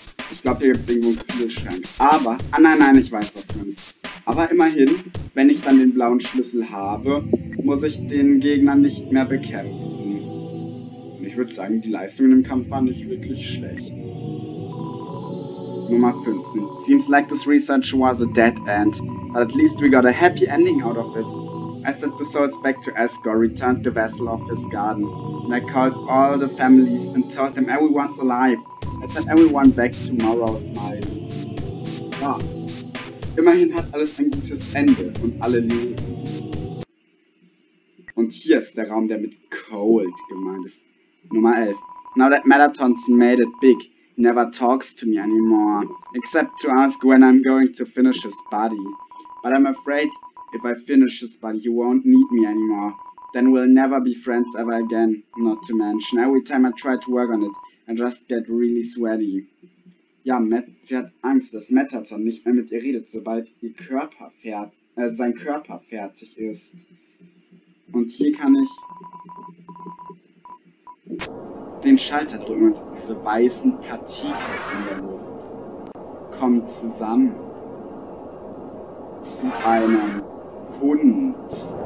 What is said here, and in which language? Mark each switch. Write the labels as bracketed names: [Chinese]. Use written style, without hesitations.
[German] Ich glaube, hier gibt es irgendwo einen Kühlschrank. Aber, ah nein, nein, ich weiß, was du meinst. Aber immerhin, wenn ich dann den blauen Schlüssel habe, muss ich den Gegner nicht mehr bekämpfen. Und ich würde sagen, die Leistungen im Kampf waren nicht wirklich schlecht. Nummer 15. [English] Seems like this research was a dead end, but at least we got a happy ending out of it. I sent the souls back to Asgore, returned the vessel of his garden, and I called all the families and told them everyone's alive. I sent everyone back to Morrow's Mine. Ja. [German] Immerhin hat alles ein gutes Ende und alle leben. Und hier ist der Raum, der mit Cold gemeint ist. Nummer 11. [English] Now that Melaton's made it big, he never talks to me anymore, except to ask when I'm going to finish his body. But I'm afraid if I finish his body, he won't need me anymore. Then we'll never be friends ever again, not to mention. Every time I try to work on it, I just get really sweaty. [German] Ja, sie hat Angst, dass Metaton nicht mehr mit ihr redet, sobald ihr Körper sein Körper fertig ist. Und hier kann ich den Schalter drücken und diese weißen Partikel in der Luft kommen zusammen zu einem Hund.